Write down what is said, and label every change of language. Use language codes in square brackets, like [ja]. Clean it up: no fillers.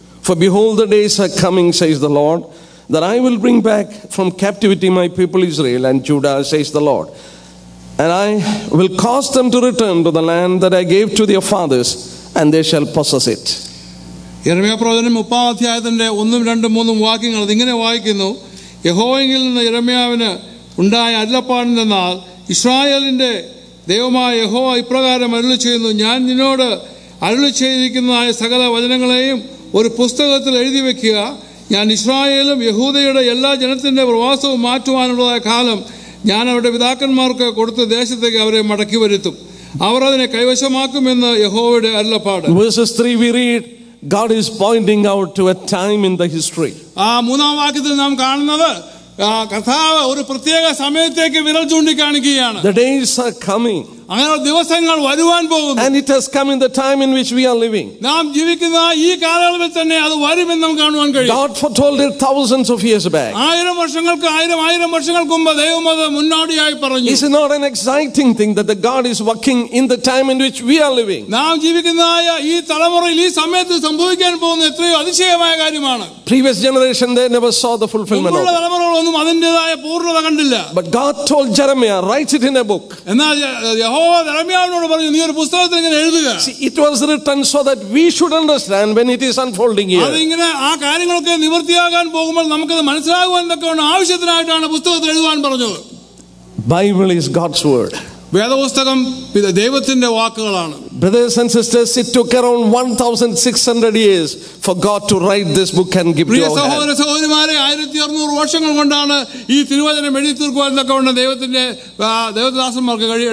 [en] For behold, the days are coming, says the Lord, that I will bring back from captivity my people Israel and Judah, says the Lord. And I will cause them to return to the land that I gave to their fathers, and they shall possess it. [ml] യെരമ്യാ പ്രവചനം 30-ാം അധ്യായത്തിന്റെ 1, 2, 3 വാക്യങ്ങൾ ഇങ്ങനെ വായിക്കുന്നു. യഹോവയിൽ നിന്ന് യെരമ്യാവിന് ഉണ്ടായ അരുളപ്പാടെന്നാൽ, ഇസ്രായേലിന്റെ ദൈവമായ യഹോവ ഇപ്രകാരം അരുളി ചെയ്യുന്നു, ഞാൻ നിന്നോട് അരുളി ചെയ്തിരിക്കുന്നതായ സകല വചനങ്ങളെയും ഒരു പുസ്തകത്തിൽ എഴുതി വെക്കുക. ഞാൻ ഇസ്രായേലും യഹൂദയുടെ എല്ലാ ജനത്തിന്റെ പ്രവാസവും മാറ്റുവാനുള്ളതായ കാലം ഞാൻ അവരുടെ പിതാക്കന്മാർക്ക് കൊടുത്ത ദേശത്തേക്ക് അവരെ മടക്കി വരുത്തും, അവർ അതിനെ കൈവശമാക്കുമെന്ന് യഹോവയുടെ അരുളപ്പാട്. [en] God is pointing out to a time in the history. [ml] ആ മൂന്നാം വാക്യത്തിൽ നാം കാണുന്നത് കഥാവ് ഒരു പ്രത്യേക സമയത്തേക്ക് വിരൽ ചൂണ്ടിക്കാണിക്കുകയാണ്. [en] The days are coming. [ml] അങ്ങനെ ദിവസങ്ങൾ വരുവാൻ പോകുന്നു. [en] And it has come in the time in which we are living. [ml] നാം ജീവിക്കുന്ന ഈ കാലയളവിൽ തന്നെ അത് വരുമെന്ന് നാം കാണുവാൻ കഴിയും. [en] God foretold it thousands of years back. [ml] ആയിരം വർഷങ്ങൾക്ക് മുമ്പ് ദൈവം അത് മുന്നോടിയായി പറഞ്ഞു. [en] It's not an exciting thing that the God is working in the time in which we are living. [ml] നാം ജീവിക്കുന്ന ഈ തലമുറയിൽ ഈ സമയത്ത് സംഭവിക്കാൻ പോകുന്ന എത്രയോ അതിശയമായ കാര്യമാണ്. [en] Previous generation they never saw the fulfillment. [ml] മുമ്പുള്ള തലമുറകളൊന്നും അതിന്റേതായ പൂർണ്ണത കണ്ടില്ല. [en] But God told Jeremiah, write it in a book. [ml] എന്നാൽ യെരമ്യാവിനോട് പറഞ്ഞു, നീ ഒരു പുസ്തകത്തിൽ ഇങ്ങനെ എഴുതുക. [en] It was written so that we should understand when it is unfolding here. [ml] അതിങ്ങനെ ആ കാര്യങ്ങളൊക്കെ നിവൃത്തിയാകാൻ പോകുമ്പോൾ നമുക്ക് അത് മനസ്സിലാകുവാൻ എന്നൊക്കെയാണ് ആവശ്യത്തിനായിട്ടാണ് പുസ്തകത്തിൽ എഴുതുവാൻ പറഞ്ഞത്. [en] Bible is God's word. [ml] വേദപുസ്തകം ദൈവത്തിന്റെ വാക്കുകളാണ്. [en] Brothers and sisters, it took around 1600 years for God to write this book and give it to us. [ml] സഹോദരിമാരെ, 1600 വർഷങ്ങൾ കൊണ്ടാണ് ഈ തിരുവചനം എഴുതി തീർക്കുവാൻ എന്നൊക്കെ ദൈവത്തിന്റെ ദൈവദാസന്മാർക്ക്